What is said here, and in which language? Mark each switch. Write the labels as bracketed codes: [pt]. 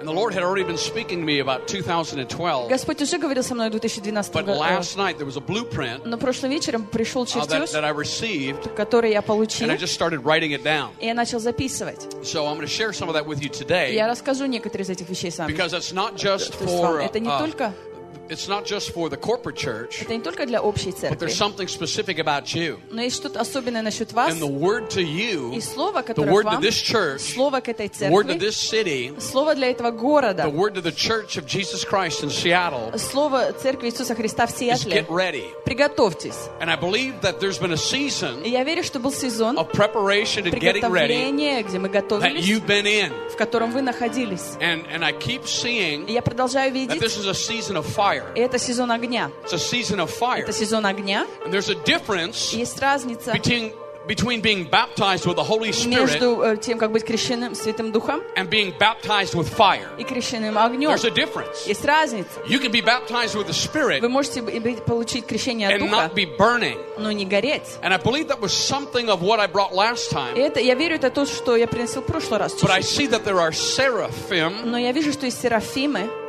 [en] And the Lord had already been speaking to me about 2012. [ru] Господь уже говорил со мной в 2012 году. [en] But last night there was a blueprint. [ru] Но прошлым вечером пришел чертеж. [en] That I received. [ru] Который я получил, [en] and I just started writing it down. [ru] И я начал записывать. [en] So I'm going to share some of that with you today. [ru] Я расскажу некоторые из этих вещей с вами. [en] Because it's not just for. [ru] Это не только. [en] It's not just for the corporate church. [ru] Это не только для общей церкви. [en] But there's something specific about you. [ru] Но есть что-то особенное насчет вас. [en] And the word to you. [ru] И слово, которое вам. [en] The word to this church. [ru] Слово к этой церкви. [en] Word to this city. [ru] Слово для этого города. [en] The word to the church of Jesus Christ in Seattle. [ru] Слово церкви Иисуса Христа в Сиэтле. [en] Get ready. [ru] Приготовьтесь. [en] And I believe that there's been a season. [ru] И я верю, что был сезон. [en] Of preparation and getting ready. [ru] Приготовление, где мы готовились. [en] That you've been in. [ru] В котором вы находились. [en] And I keep seeing. [ru] И я продолжаю видеть. [en] That this is a season of fire. [ru] Это сезон огня. [en] It's a season of fire. [ru] Это сезон огня. [en] And there's a difference. [ru] Есть разница. [en] Between being baptized with the Holy Spirit. [ru] Между тем, как быть крещенным Святым Духом. [en] And being baptized with fire. [ru] И крещенным огнем. [en] There's a difference. [ru] Есть разница. [en] You can be baptized with the Spirit. [ru] Вы можете получить крещение от Духа. [en] And not be burning. [ru] Но не гореть. [en] And I believe that was something of what I brought last time. [ru] Это я верю, это то, что я приносил в прошлый раз. [en] But I see that there are seraphim. [ru] Но я вижу, что есть серафимы.